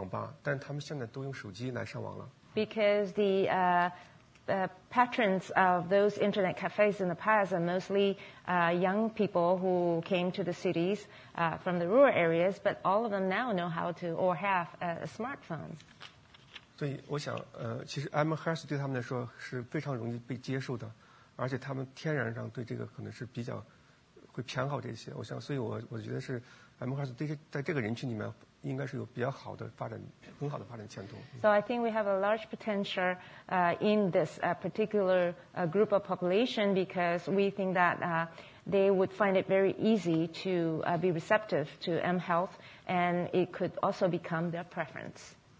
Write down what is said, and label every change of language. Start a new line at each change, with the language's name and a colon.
Chinese: 为什么？因为过去很多来城市打工的这些农村年轻人会用这个网吧，但他们现在都用手机来上网了。
English: Because the patrons of those internet cafes in the past are mostly young people who came to the cities from the rural areas, but all of them now know how to or have a smartphone.
Chinese: 所以我想，其实 mHealth 对他们来说是非常容易被接受的，而且他们天然上对这个可能是比较会偏好这些。我想，所以我觉得是 mHealth 对这个人群里面应该是有比较好的发展，很好的发展前途。
English: So I think we have a large potential in this particular group of population because we think that they would find it very easy to be receptive to mHealth, and it could also become their preference.